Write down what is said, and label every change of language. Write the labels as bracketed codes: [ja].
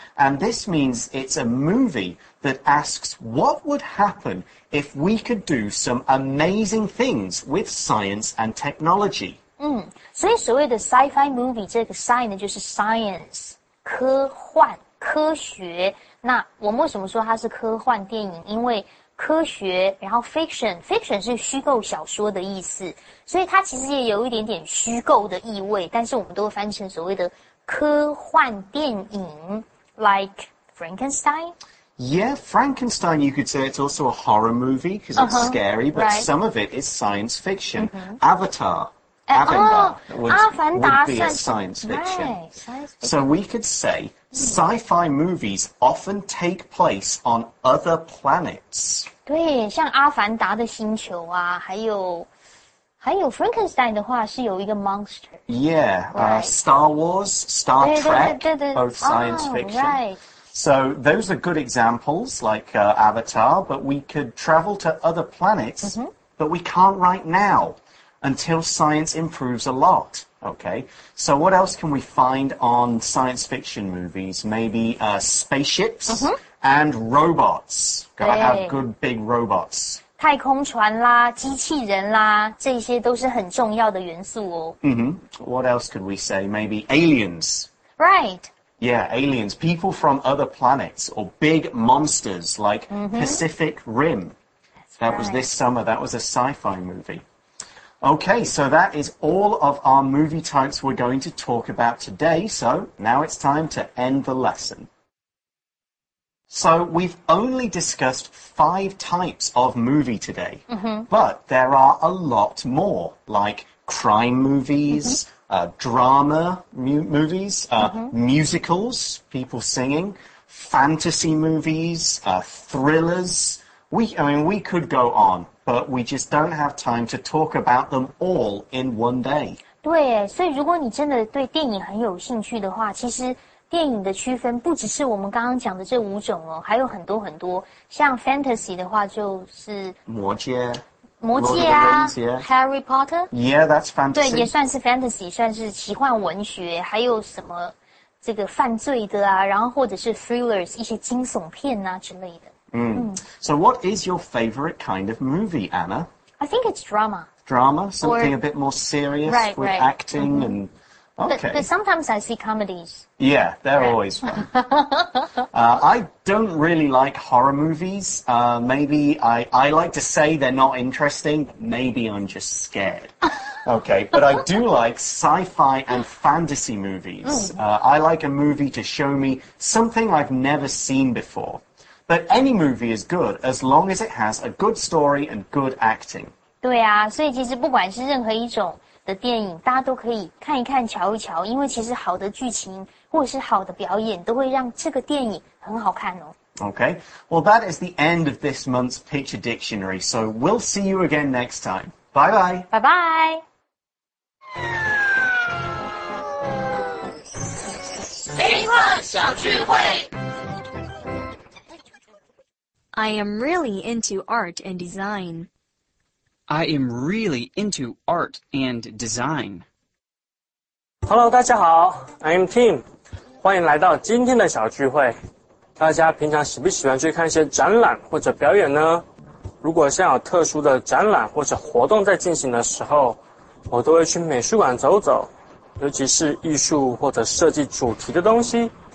[en] And this means it's a movie that asks what would happen if we could do some amazing things with science and technology. [zh] 所以所谓的 sci-fi movie, 这个 sci 呢就是 science, 科幻科学。那我们为什么说它是科幻电影？因为科学，然后 fiction 是虚构小说的意思，所以它其实也有一点点虚构的意味，但是我们都翻成所谓的科幻电影 ，like Frankenstein. [en] Yeah, Frankenstein. You could say it's also a horror movie because it's scary, but some of it is science fiction. Avatar. Avatar would be a science fiction. So we could say sci-fi movies often take place on other planets. [zh] 对，像阿凡达的星球啊，还有 Frankenstein 的话是有一个 monster. [en] Yeah, Star Wars, Star Trek, both science fiction. So those are good examples like Avatar, but we could travel to other planets, but we can't right now. Until science improves a lot, okay? So what else can we find on science fiction movies? Maybe spaceships and robots. Gotta have good big robots. [zh] 太空船啦，机器人啦，这些都是很重要的元素哦。 [en] What else could we say? Maybe aliens. Right. Yeah, aliens. People from other planets or big monsters like Pacific Rim. That was this summer. That was a sci-fi movie. Okay, so that is all of our movie types we're going to talk about today. So now it's time to end the lesson. So we've only discussed five types of movie today, but there are a lot more, like crime movies, drama movies, musicals, people singing, fantasy movies, thrillers. We could go on. But we just don't have time to talk about them all in one day. [zh] 对，所以如果你真的对电影很有兴趣的话，其实电影的区分不只是我们刚刚讲的这五种哦，还有很多很多。像 fantasy 的话，就是魔戒啊 ，Harry Potter. [en] Yeah, that's fantasy. [zh] 对，也算是 fantasy， 算是奇幻文学。还有什么这个犯罪的啊，然后或者是 thrillers 一些惊悚片啊之类的。 [en] So what is your favorite kind of movie, Anna? I think it's drama. Drama? Something a bit more serious with acting and... Okay. But sometimes I see comedies. Yeah, they're always fun. I don't really like horror movies. Maybe I like to say they're not interesting, but maybe I'm just scared. Okay, but I do like sci-fi and fantasy movies. I like a movie to show me something I've never seen before. But any movie is good as long as it has a good story and good acting. [zh] 对啊，所以其实不管是任何一种的电影，大家都可以看一看、瞧一瞧，因为其实好的剧情或者是好的表演都会让这个电影很好看哦。 [en] Okay, well, that is the end of this month's Picture Dictionary, so we'll see you again next time. Bye-bye. Bye-bye. I am really into art and design. I am really into art and design. Hello, [zh] 大家好 [en] I'm Tim. [zh] 欢迎来到今天的小聚会。大家平常喜不喜欢去看一些展览或者表演呢？如果像有特殊的展览或者活动在进行的时候，我都会去美术馆走走，尤其是艺术或者设计主题的东西。